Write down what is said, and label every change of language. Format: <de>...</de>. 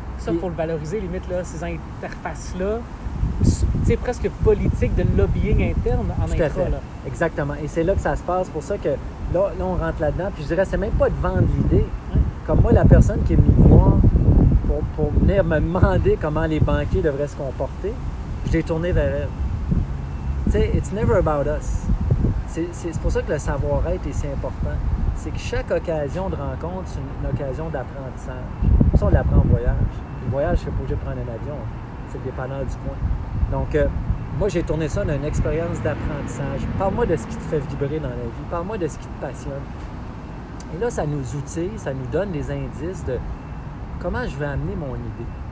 <fr>Ça, pour le valoriser, limite, là, ces interfaces-là, c'est presque politique de lobbying interne en tout intra. Tout à fait, là. Exactement. Et c'est là que ça se passe, pour ça que là, on rentre là-dedans. Puis je dirais, c'est même pas de vendre l'idée. Hein? Comme moi, la personne qui est venue voir pour venir me demander comment les banquiers devraient se comporter, je l'ai tourné vers elle. Tu sais,</fr> <en>it's never about us.</en> <fr>C'est pour ça que le savoir-être est si important. C'est que chaque occasion de rencontre, c'est une occasion d'apprentissage. Comme ça, on l'apprend en voyage. Le voyage, c'est pas obligé de prendre un avion. C'est le dépanneur du coin. Donc, moi, j'ai tourné ça dans une expérience d'apprentissage. Parle-moi de ce qui te fait vibrer dans la vie. Parle-moi de ce qui te passionne. Et là, ça nous outille, ça nous donne des indices de comment je vais amener mon idée.</fr>